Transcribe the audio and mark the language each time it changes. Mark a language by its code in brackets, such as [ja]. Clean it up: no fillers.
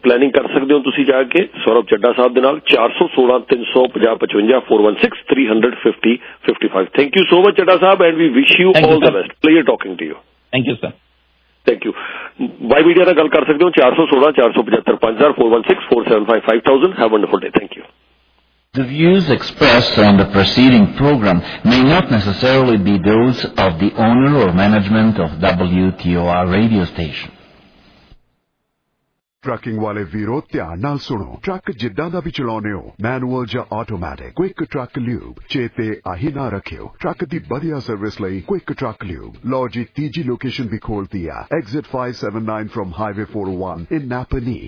[pa] Planning ਕਰ ਸਕਦੇ ਹੋ ਤੁਸੀਂ ਜਾ ਕੇ ਸੌਰਭ ਚੱਡਾ ਸਾਹਿਬ ਦੇ ਨਾਲ, 416-350-55। [en] Thank you so much Chadha sahib, and we wish you all the best. Pleasure talking to you. Thank you sir. [pa] Thank you. Y media ਨਾਲ ਗੱਲ ਕਰ ਸਕਦੇ ਹੋ 416-475-5000, 416-475-5000। [en] The views expressed on the preceding program may not necessarily be those of the owner or management of WTOR radio station. [pa] Trucking ਵਾਲੇ ਵੀਰੋ, ਧਿਆਨ ਨਾਲ ਸੁਣੋ, ਟਰੱਕ ਜਿੱਦਾਂ ਦਾ ਵੀ ਚਲਾਉਂਦੇ ਹੋ, ਮੈਨੂਅਲ ਜਾਂ ਆਟੋਮੈਟਿਕ, ਕੁਇਕ ਟਰੱਕ ਲਿਊਬ ਚੇਤੇ ਆਹੀ ਨਾ ਰੱਖਿਓ। ਟਰੱਕ ਦੀ ਵਧੀਆ ਸਰਵਿਸ ਲਈ ਕੁਇਕ ਟਰੱਕ ਲਿਊਬ ਲਓ ਜੀ, 3 ਲੋਕੇਸ਼ਨ ਵੀ ਖੋਲਤੀ ਆ, [en] Exit 579 from highway 401 in Napanee.